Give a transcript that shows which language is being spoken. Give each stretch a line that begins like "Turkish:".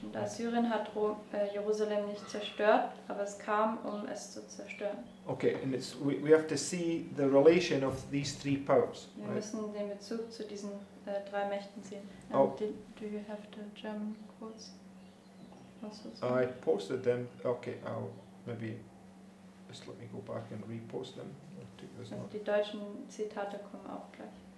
German: Und Assyrien hat Jerusalem nicht zerstört, aber es kam, um es zu zerstören.
English: Okay, and it's we have to see the relation of these three powers.
German: Wir müssen den Bezug zu diesen drei Mächten sehen.
English: Do you have the German quotes? I posted them. Okay, I'll maybe just let me go back and repost them.
German: Die deutschen Zitate kommen auch gleich.